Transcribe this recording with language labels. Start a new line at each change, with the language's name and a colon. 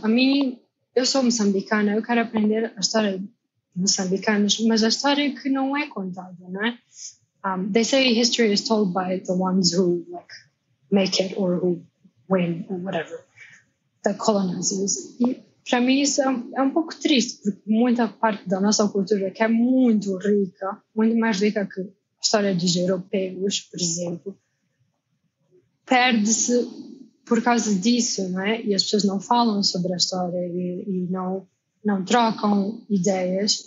Portuguese: A mim, eu sou moçambicana, eu quero aprender a história de moçambicanos, mas a história que não é contada, não é?
English: They say history is told by the ones who like make it or who win or whatever, the colonizers.
Portuguese: E para mim isso é um pouco triste, porque muita parte da nossa cultura, que é muito rica, muito mais rica que a história dos europeus, por exemplo, perde-se por causa disso, não é? E as pessoas não falam sobre a história e não trocam ideias.